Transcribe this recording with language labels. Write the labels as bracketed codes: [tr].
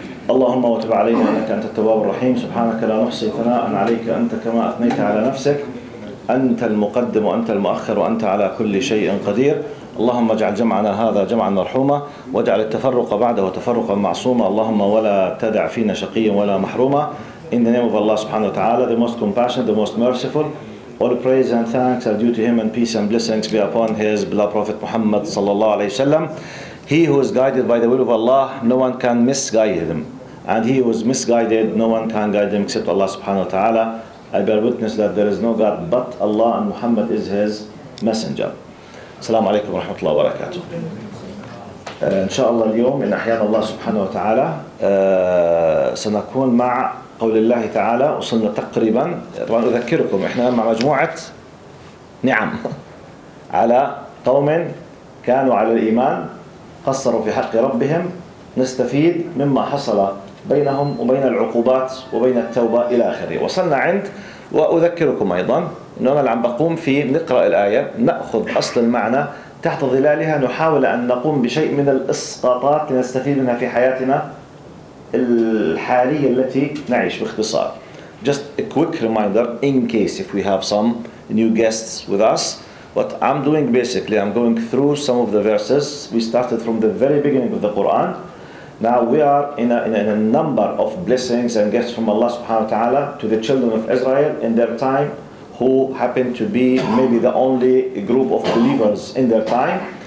[ar] اللهم وتب علينا إنك أنت التواب الرحيم. سبحانك لا نحصي ثناء عليك أنت كما أثنيت على نفسك. أنت المقدم وأنت المؤخر وأنت على كل شيء قدير. اللهم اجعل جمعنا هذا جمعا مرحوما، واجعل التفرق بعده تفرقا معصوما. اللهم ولا تدع فينا شقيا ولا محروما. [en] In the name of Allah subhanahu wa ta'ala, the most compassionate, the most merciful, all praise and thanks are due to him, and peace and blessings be upon his beloved Prophet Muhammad sallallahu alayhi wa sallam. He who is guided by the will of Allah, no one can misguide him. And he who is misguided, no one can guide him except Allah subhanahu wa ta'ala. I bear witness that there is no God but Allah, and Muhammad is his messenger. [ar] Assalamu alaikum wa rahmatullahi wa barakatuh. Inshallah, اليوم in أحيان Allah subhanahu wa ta'ala, سنكون مع قول الله تعالى. وصلنا تقريبا، طبعا أذكركم إحنا مع مجموعة نعم على قوم كانوا على الإيمان، قصروا في حق ربهم، نستفيد مما حصل بينهم وبين العقوبات وبين التوبة إلى آخره. وصلنا عند، وأذكركم أيضا أنه أنا عم بقوم في نقرأ الآية، نأخذ أصل المعنى تحت ظلالها، نحاول أن نقوم بشيء من الإسقاطات لنستفيد منها في حياتنا الحالية التي نعيش. [en] باختصار، just a quick reminder in case if we have some new guests with us. What I'm doing basically, I'm going through some of the verses. We started from the very beginning of the Quran. Now we are in a number of blessings and gifts from Allah subhanahu wa ta'ala to the children of Israel in their time, who happened to be maybe the only group of believers in their time.